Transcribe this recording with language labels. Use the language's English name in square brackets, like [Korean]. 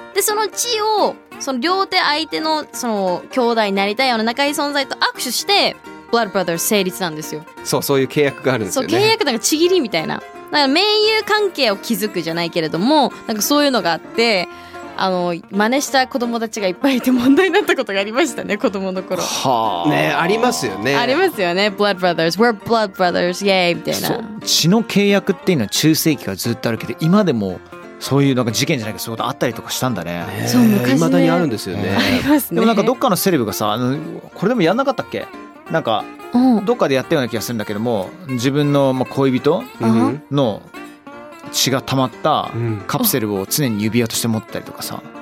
[Japanese] でその血をその両手相手のその兄弟になりたいような仲良い存在と握手して Blood Brothers 成立なんですよ。そう、そういう契約があるんですよね。そう、契約なんかちぎりみたいな、なんか盟友関係を築くじゃないけれども、なんかそういうのがあって、真似した子供たちがいっぱいいて問題になったことがありましたね、子供の頃。はあ、ね、ありますよね。ありますよね。 [English] Blood Brothers We're Blood Brothers Yay [Japanese] みたいな。血の契約っていうのは中世紀からずっとあるけど、今でもそういうなんか事件じゃないけど、そういうことあったりとかしたんだね。そう、昔ね、未だにあるんですよね。ありますね。でもなんかどっかのセレブがさ、これでもやんなかったっけ、なんかどっかでやったような気がするんだけども、自分の恋人の血が溜まったカプセルを常に指輪として持ったりとかさ、